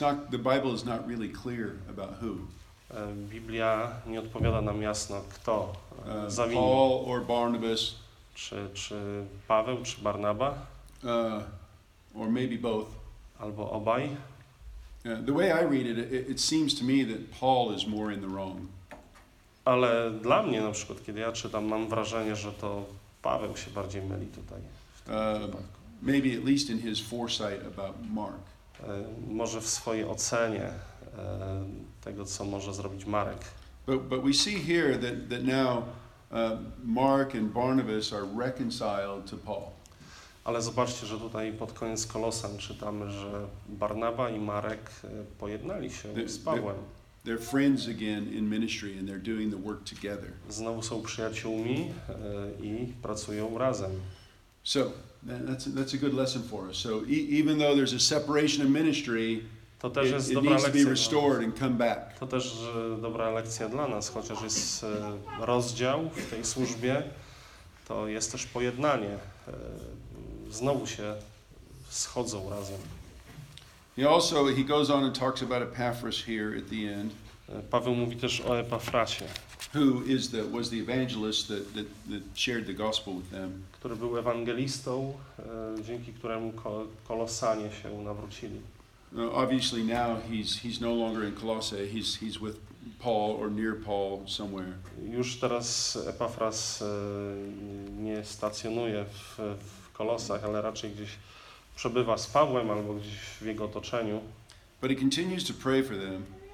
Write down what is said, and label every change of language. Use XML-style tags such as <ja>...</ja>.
<en>The Bible is not really clear about who.</en> <pl>Biblia nie odpowiada nam jasno, kto zawinił.</pl> <en>Paul or Barnabas.</en> <pl>Czy Paweł, czy Barnaba?</pl> <en>Or maybe both.</en> <pl>Albo obaj.</pl> <en>The way I read it seems to me that Paul is more in the wrong.</en> <pl>Ale dla mnie na przykład, kiedy ja czytam, mam wrażenie, że to Paweł się bardziej myli tutaj.</pl> <en>Maybe at least in his foresight about Mark.</en> <pl>Może w swojej ocenie tego, co może zrobić Marek.</pl> <en>But we see here that now Mark and Barnabas are reconciled to Paul.</en> <pl>Ale zobaczcie, że tutaj pod koniec Kolosan czytamy, że Barnaba i Marek pojednali się z Pawłem.</pl> <en>They're friends again in ministry and they're doing the work together.</en> <pl>Znowu są przyjaciółmi i pracują razem.</pl> <en>So, that's a good lesson for us. So, even though there's a separation in ministry,</en> <pl>to też jest</pl> <en>it</en> <pl>dobra</pl> <en>needs</en> <pl>lekcja,</pl> <en>to be restored and come back.</en> <pl>To też dobra lekcja dla nas, chociaż jest rozdział w tej służbie, to jest też pojednanie. Znowu się schodzą razem.</pl> <en>He goes on and talks about Epaphras here at the end.</en> <pl>Paweł mówi też o Epafrasie.</pl> <en>Who is was the evangelist that shared the gospel with them?</en> <pl>Który był ewangelistą, dzięki któremu Kolosanie się nawrócili.</pl> <en>Obviously now he's no longer in Colossae. He's with Paul or near Paul somewhere.</en> <pl>Już teraz Epafras nie stacjonuje w Kolosach, ale raczej gdzieś przebywa z Pawłem albo gdzieś w jego otoczeniu.</pl> <en>But he continues to pray for them.</en>